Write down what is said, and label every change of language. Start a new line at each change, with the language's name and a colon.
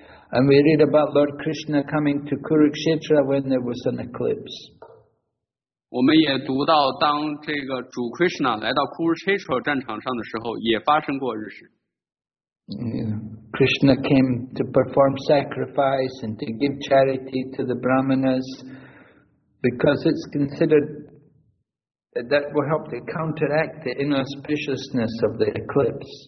English: And we read about Lord Krishna coming to Kurukshetra when there was an eclipse.
Chinese: 我们也读到，当这个主 Krishna 来到 Kurukshetra 战场上的时候，也发生过日食。
English: Krishna came to perform sacrifice and to give charity to the brahmanas because it's considered that that will help to counteract the inauspiciousness of the eclipse.